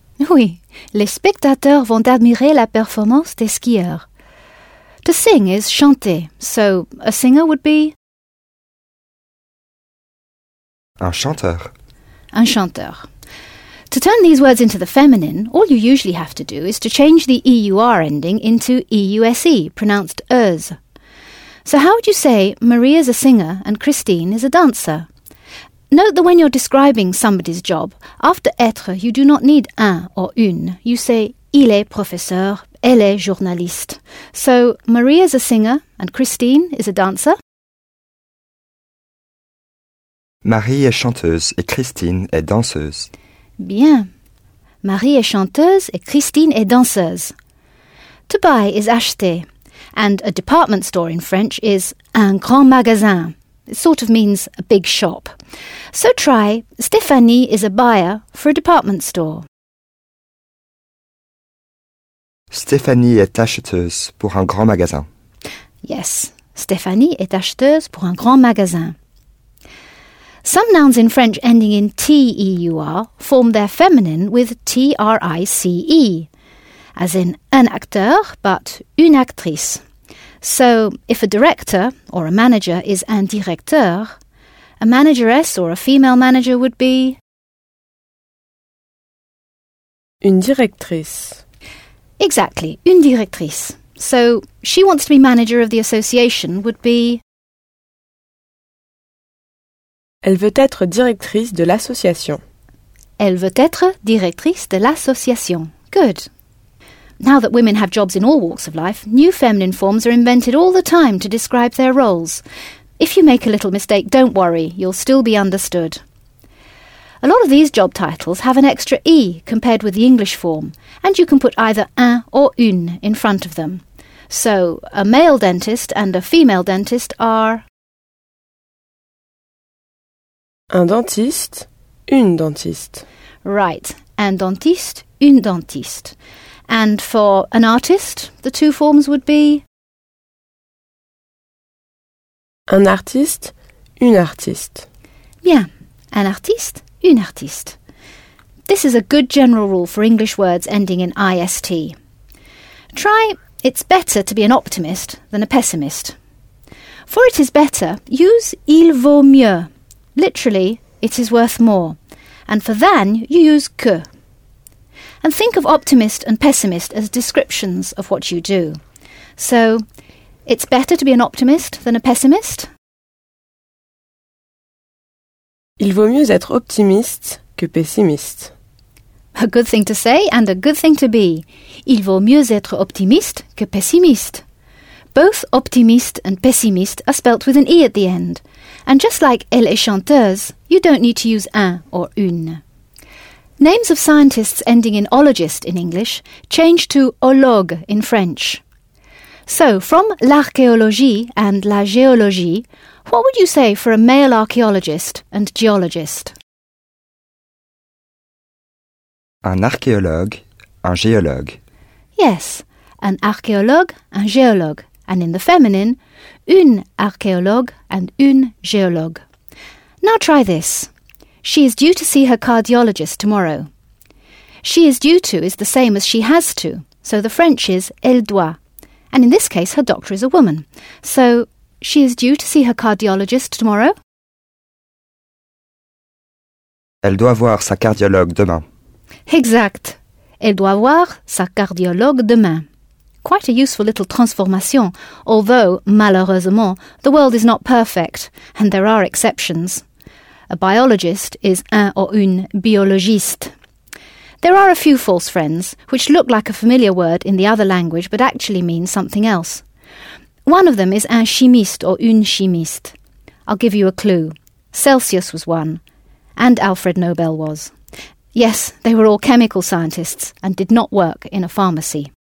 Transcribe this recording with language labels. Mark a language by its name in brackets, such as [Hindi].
[French] Oui, les spectateurs vont admirer la performance des skieurs. [English] To sing is chanter, so a singer would be... [French] Un chanteur. Un chanteur. [English] To turn these words into the feminine, all you usually have to do is to change the EUR ending into EUSE, pronounced ERS. So how would you say Maria's a singer and Christine is a dancer? Note that when you're describing somebody's job, after être you do not need un or une, you say [French] il est professeur, elle est journaliste. [English] So Maria's a singer and Christine is a dancer? [French] Marie est chanteuse et Christine est danseuse. Bien. Marie est chanteuse et Christine est danseuse. [English] To buy is acheter, and a department store in French is [French] un grand magasin. [English] It sort of means a big shop. So try, Stéphanie is a buyer for a department store. [French] Stéphanie est acheteuse pour un grand magasin. Yes, Stéphanie est acheteuse pour un grand magasin. [English] Some nouns in French ending in T-E-U-R form their feminine with T-R-I-C-E, as in [French] un acteur, [English] but [French] une actrice. [English] So, if a director or a manager is un directeur, a manageress or a female manager would be... [French] Une directrice. Exactly, une directrice. [English] So, she wants to be manager of the association would be... [French] Elle veut être directrice de l'association. Elle veut être directrice de l'association. [English] Good. Now that women have jobs in all walks of life, new feminine forms are invented all the time to describe their roles. If you make a little mistake, don't worry, you'll still be understood. A lot of these job titles have an extra E compared with the English form, and you can put either un or une in front of them. So, a male dentist and a female dentist are... [French] Un dentiste, une dentiste. Right, un dentiste, une dentiste. [English] And for an artist, the two forms would be... [French] Un artiste, une artiste. Bien, un artiste, une artiste. [English] This is a good general rule for English words ending in IST. Try, it's better to be an optimist than a pessimist. For it is better, use [French] il vaut mieux. [English] Literally, it is worth more. And for than, you use que. And think of optimist and pessimist as descriptions of what you do. So, it's better to be an optimist than a pessimist? [French] Il vaut mieux être optimiste que pessimiste. [English] A good thing to say and a good thing to be. [French] Il vaut mieux être optimiste que pessimiste. [English] Both optimiste and pessimiste are spelt with an E at the end. And just like [French] elle est chanteuse, [English] you don't need to use un or une. Names of scientists ending in ologist in English change to ologue in French. So, from l'archéologie and la géologie, what would you say for a male archaeologist and geologist? [French] Un archéologue, un géologue. Yes, an archéologue, un géologue. [English] And in the feminine, [French] une archéologue [English] and [French] une géologue. [English] Now try this. She is due to see her cardiologist tomorrow. She is due to is the same as she has to, so the French is [French] elle doit. [English] And in this case, her doctor is a woman. So, she is due to see her cardiologist tomorrow. [French] Elle doit voir sa cardiologue demain. Exact. Elle doit voir sa cardiologue demain. [English] Quite a useful little transformation, although, malheureusement, the world is not perfect, and there are exceptions. A biologist is un or [French] une biologiste. [English] There are a few false friends, which look like a familiar word in the other language, but actually mean something else. One of them is [French] un chimiste [English] or [French] une chimiste. [English] I'll give you a clue. Celsius was one, and Alfred Nobel was. Yes, they were all chemical scientists and did not work in a pharmacy.